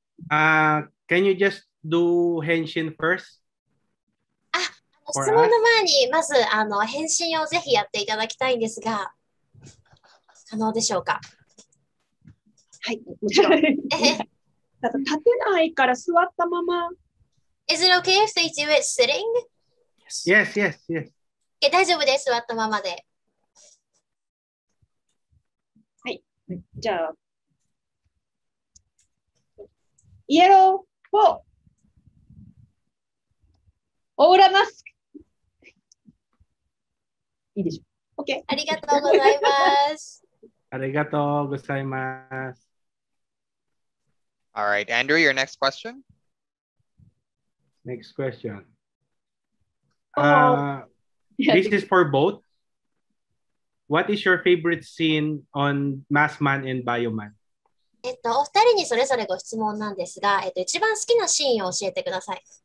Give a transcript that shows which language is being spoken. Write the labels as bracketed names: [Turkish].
[English] Can you just do henshin first? [Japanese] 質問の前にまず返信をぜひやっていただきたいんですが、可能でしょうか? はい、もちろん。立てないから座ったまま。 [English] Is it okay if they do it sitting? Yes, yes, yes. [Japanese] 大丈夫です。座ったままで。はい。じゃあ、イエロー4、オーラマスク。いいでしょ。OK。ありがとうございます。ありがとうございます。 [English] All right, Andrew, your next question? Next question. This is for both. What is your favorite scene on Maskman and Bioman? [Japanese] お二人にそれぞれご質問なんですが、一番好きなシーンを教えてください。